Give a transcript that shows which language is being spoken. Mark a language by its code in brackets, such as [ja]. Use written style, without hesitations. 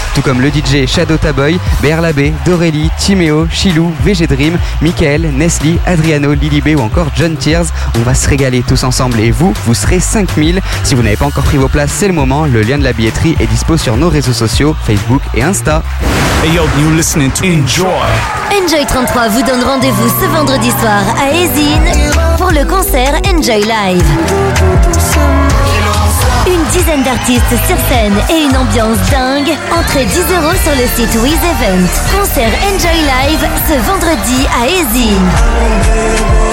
[fr] Tout comme le DJ Shadow Taboy, Berlabé, Dorelli, Timeo, Chilou, VG Dream, Michael, Nesli, Adriano, Lili B ou encore John Tears. On va se régaler tous ensemble et vous, vous serez 5000. Si vous n'avez pas encore vos places, c'est le moment. Le lien de la billetterie est dispo sur nos réseaux sociaux, Facebook et Insta. [en] Hey yo, you listening to Enjoy. [fr] Enjoy 33 vous donne rendez-vous ce vendredi soir à Ezin pour le concert Enjoy Live. Une dizaine d'artistes sur scène et une ambiance dingue. Entrée 10 euros sur le site With Event. Concert Enjoy Live ce vendredi à Ezin.